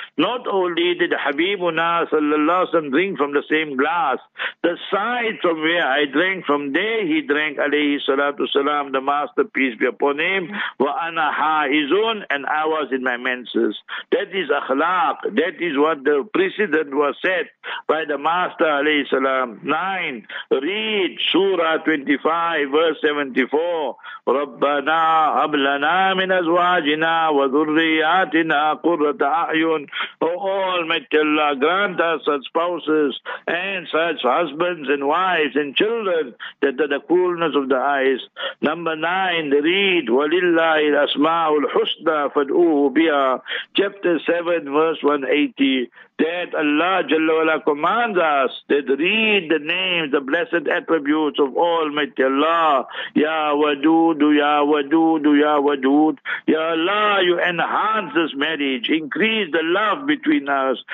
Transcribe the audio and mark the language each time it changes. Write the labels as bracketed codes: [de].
[en] Not only did Habibuna sallallahu alaihi wasallam drink from the same glass, the side from where I drank, from there he drank, alayhi salatu salam, the masterpiece be upon him, [ar] wa ana haizun, [en] and I was in my menses. That is akhlaq. That is what the precedent was set by the master, alayhi salam. 9. Read Surah 25, verse 74. [ar] Rabbana هب لنا من أزواجنا وذرياتنا قرة أعين. [en] Oh, Almighty Allah, grant us such spouses and such husbands and wives and children that are the coolness of the eyes. Number 9, read [ar] وَلِلَّهِ الْأَسْمَاءُ الْحُسْنَى فَادْعُوهُ بِهَا. [en] Chapter 7, verse 180. That Allah Jalla Wala commands us that read the names, the blessed attributes of Almighty Allah. Ya Wadud, Ya Wadud, Ya Wadud. Ya Allah, you enhance this marriage. Increase the love between us.